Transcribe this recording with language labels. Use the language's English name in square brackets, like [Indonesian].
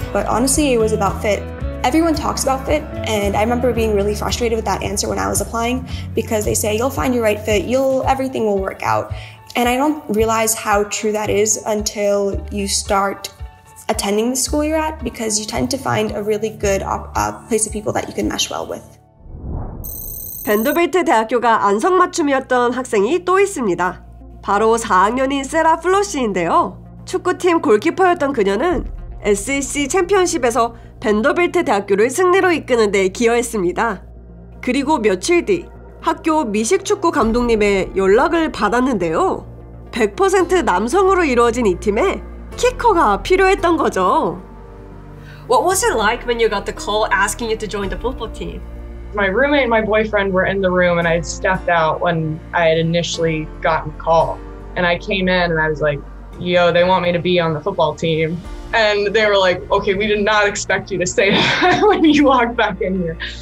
[English] But honestly, it was about fit. Everyone talks about fit, and I remember being really frustrated with that answer when I was applying because they say, you'll find your right fit, everything will work out. And I don't realize how true that is until you start attending the school you're at, because you tend to find a really good place of people that you can mesh well with. [Korean] 벤더빌트 대학교가 안성맞춤이었던 학생이 또 있습니다. 바로 4학년인 세라 플러시인데요. 축구팀 골키퍼였던 그녀는 SEC 챔피언십에서 벤더빌트 대학교를 승리로 이끄는 데 기여했습니다. 그리고 며칠 뒤 학교 미식축구 감독님의 연락을 받았는데요. 100% 남성으로 이루어진 이 팀에 키커가 필요했던 거죠. [English] What was it like when you got the call asking you to join the football team? My roommate and my boyfriend were in the room and I had stepped out when I had initially gotten the call. And I came in and I was like, yo, they want me to be on the football team. And they were like, okay, we did not expect you to say that when you walked back in here.